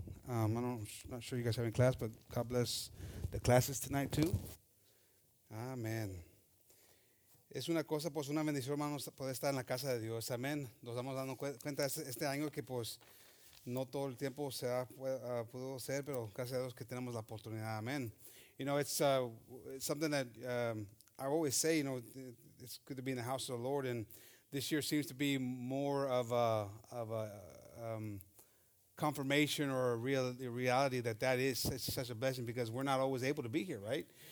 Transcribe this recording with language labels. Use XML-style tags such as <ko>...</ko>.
<en>I'm not sure you guys have any class, but God bless the classes tonight, too. Amen.</en> <es>Es una cosa, pues una bendición, hermanos, poder estar en la casa de Dios. Amen. Nos estamos dando cuenta este año que, pues, no todo el tiempo se ha pudo ser, pero gracias a Dios que tenemos la oportunidad. Amen.</es> <en>You know, it's something that I always say, you know, it's good to be in the house of the Lord. And this year seems to be more of a confirmation or a reality that is such a blessing, because we're not always able to be here, right?</en>